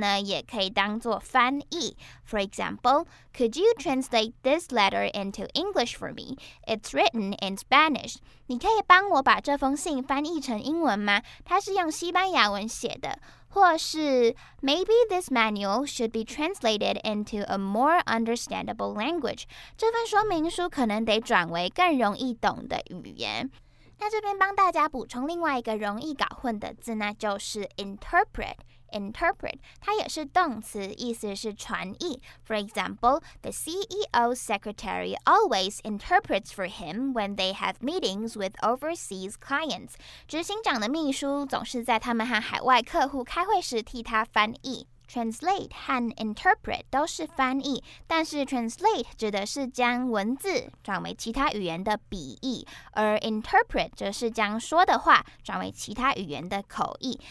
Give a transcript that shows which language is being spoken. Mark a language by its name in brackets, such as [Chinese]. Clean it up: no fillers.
[Chinese] 在这个计划中，我们把可重复使用的运送包装这个想法化为现实。那translate这个字呢，也可以当做翻译。 [English] For example, could you translate this letter into English for me? It's written in Spanish. [Chinese] 你可以帮我把这封信翻译成英文吗？它是用西班牙文写的。或是 [English] maybe this manual should be translated into a more understandable language. [Chinese] 这份说明书可能得转为更容易懂的语言。那这边帮大家补充另外一个容易搞混的字，那就是interpret。 Interpret 它也是动词，意思是传译。 [English] For example, the CEO's secretary always interprets for him when they have meetings with overseas clients. [Chinese] 执行长的秘书总是在他们和海外客户开会时替他翻译。 translate 和 interpret 都是翻译，但是 translate 指的是将文字转为其他语言的笔译，而 interpret 则是将说的话转为其他语言的口译。